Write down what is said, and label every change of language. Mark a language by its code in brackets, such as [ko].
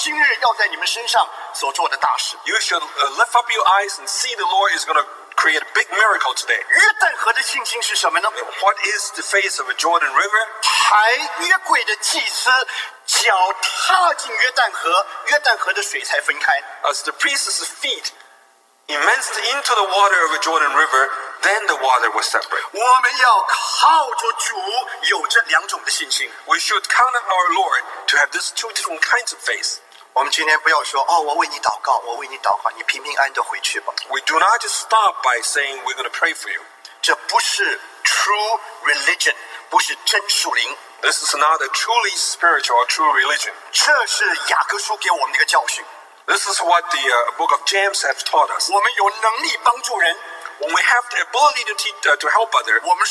[zh] 神说你只管站住看耶和华今日要在你们身上所做的大事。 [en] You should lift up your eyes and see the Lord is going to create a big miracle today. [zh] 约旦河的信心是什么呢？ [en] What is the faith of a Jordan River? [zh] 抬约柜的祭司 脚踏进约旦河，约旦河的水才分开。 [en] As the priest's feet immersed into the water of the Jordan River, then the water was separate. [zh] 我们要靠着主有这两种的信心。 [en] We should count on our Lord to have these two different kinds of faith. [zh] 我们今天不要说，哦，我为你祷告，我为你祷告，你平平安的回去吧。 [en] We do not just stop by saying we're going to pray for you. [zh] 这不是 [en] true religion, [zh] 不是真属灵。 [en] This is not a truly spiritual or true religion. [zh] 这是雅各书给我们的一个教训。 [en] This is what the book of James has taught us. [zh] 我们有能力帮助人。 [en] When we have the ability to teach, to help others,